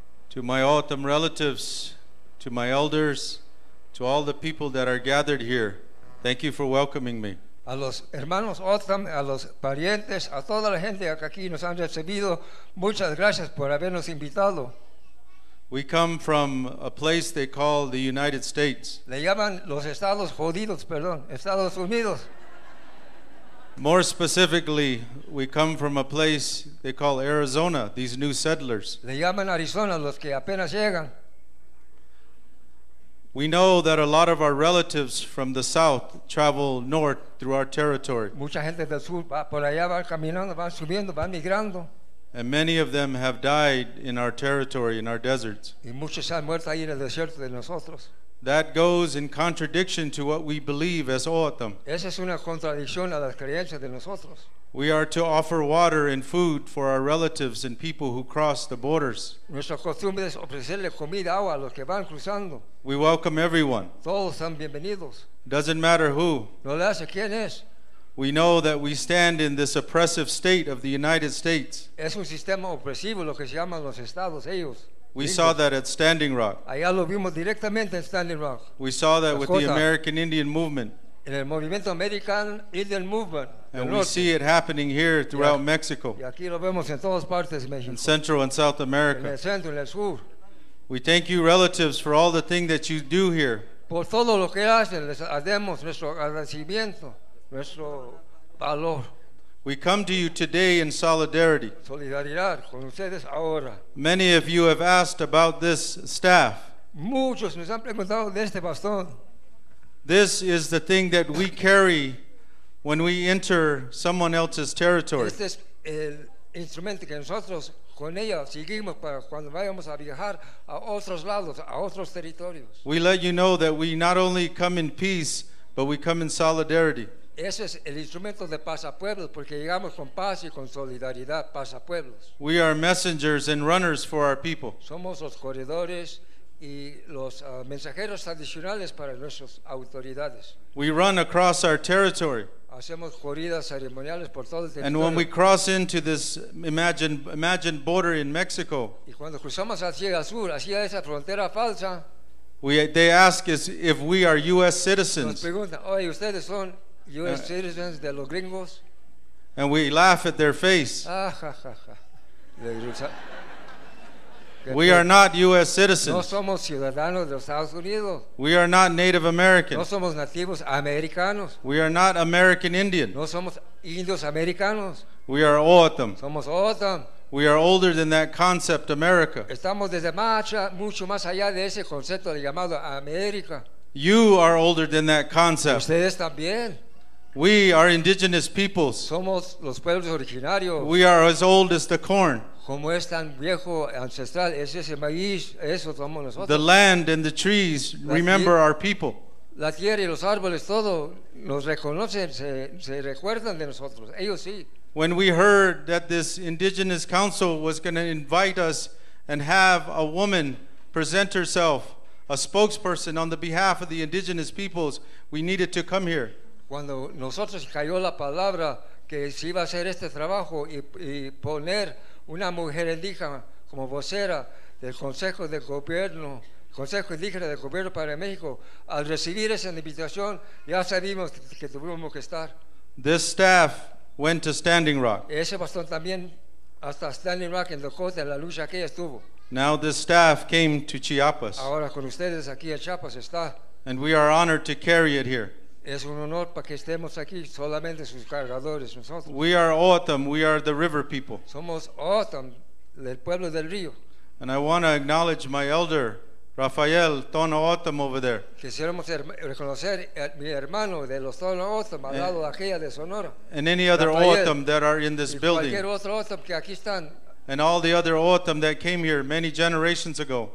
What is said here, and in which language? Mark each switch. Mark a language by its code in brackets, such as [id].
[en] To my Otam relatives, to my elders, to all the people that are gathered here, thank you for welcoming me. [es] A los hermanos Otam, a los parientes, a toda la gente que aquí nos han recibido, muchas gracias por habernos invitado. [en] We come from a place they call the United States. [es] Le llaman los Estados Jodidos, perdón, Estados Unidos. [en] More specifically, we come from a place they call Arizona, these new settlers. [es] Le llaman Arizona los que apenas llegan. [en] We know that a lot of our relatives from the south travel north through our territory. [es] Mucha gente del sur va por allá, va caminando, va subiendo, va migrando. [en] And many of them have died in our territory, in our deserts. [es] Y muchos han muerto ahí en el desierto de nosotros. [en] That goes in contradiction to what we believe as Otam. [es] Esa es una contradicción a las creencias de nosotros. [en] We are to offer water and food for our relatives and people who cross the borders. [es] Nuestra costumbre es ofrecerle comida, agua a los que van cruzando. [en] We welcome everyone. [es] Todos son bienvenidos. [en] Doesn't matter who. [es] No le hace quién es. [en] We know that we stand in this oppressive state of the United States. [es] Es un sistema opresivo lo que se llaman los estados ellos. [en] We saw that at Standing Rock. [es] Allá lo vimos directamente en Standing Rock. [en] We saw that with the American Indian Movement. [es] En el movimiento American Indian Movement. [en] And we see it happening here throughout Mexico. [es] Y aquí lo vemos en todas partes de México. [en] In Central and South America. [es] En el centro, en el sur. [en] We thank you, relatives, for all the things that you do here. [es] Por todo lo que hacen, les hacemos nuestro agradecimiento, nuestro valor. [en] We come to you today in solidarity. [es] Solidaridad con ustedes ahora. [en] Many of you have asked about this staff. [es] Muchos nos han preguntado de este bastón. [en] This is the thing that we carry when we enter someone else's territory. [es] Este es el instrumento que nosotros con ella seguimos para cuando vayamos a viajar a otros lados, a otros territorios. [en] We let you know that we not only come in peace, but we come in solidarity. [es] Ese es el instrumento de pasapueblos, porque llegamos con paz y con solidaridad, pasapueblos. [en] We are messengers and runners for our people. [es] Somos los corredores y los mensajeros tradicionales para nuestras autoridades. [en] We run across our territory. [es] Hacemos corridas ceremoniales por todo el territorio. [en] And when we cross into this imagined border in Mexico, [es] y cuando cruzamos hacia el sur, hacia esa frontera falsa, [en] they ask us if we are U.S. citizens. [es] Nos preguntan, oye, ustedes son [en] U.S. citizens [es] de los gringos. [en] And we laugh at their face. We are not U.S. citizens. [es] No somos ciudadanos de Estados Unidos. [en] We are not Native Americans. [es] No somos nativos americanos. [en] We are not American Indian. [es] No somos indios americanos. [en] We are Otam. [es] Somos Otam. [en] We are older than that concept, America. [es] Estamos desde mucho más allá de ese concepto llamado América. [en] You are older than that concept. [es] Ustedes también. [en] We are indigenous peoples. [es] Somos los pueblos originarios. [en] We are as old as the corn. [es] Como es tan viejo ancestral es ese maíz, eso somos nosotros. [en] The land and the trees remember our people. [es] La tierra y los árboles todo nos reconocen, se recuerdan de nosotros. Ellos sí. [en] When we heard that this indigenous council was going to invite us and have a woman present herself, a spokesperson on the behalf of the indigenous peoples, we needed to come here. [es] Cuando nosotros cayó la palabra que se iba a hacer este trabajo y poner una mujer indígena como vocera del Consejo de Gobierno, Consejo Indígena del Gobierno para México, al recibir esa invitación, ya sabíamos que tuvimos que estar. [en] This staff went to Standing Rock. [es] Ese bastón también hasta Standing Rock en Dakota, en la lucha aquella estuvo. [en] Now this staff came to Chiapas. [es] Ahora con ustedes aquí en Chiapas está. [en] And we are honored to carry it here. [es] Es un honor para que estemos aquí solamente sus cargadores nosotros. [en] We are Autumn, we are the river people. [es] Somos Autumn, el pueblo del río. [en] And I want to acknowledge my elder, Rafael Tono Autumn over there. [es] Quisiéramos reconocer mi hermano de los Tono Autumn, al lado de aquella de Sonora. [en] And any other Rafael, Autumn that are in this building. [es] Cualquier otro Autumn que aquí están. [en] And all the other Autumn that came here many generations ago.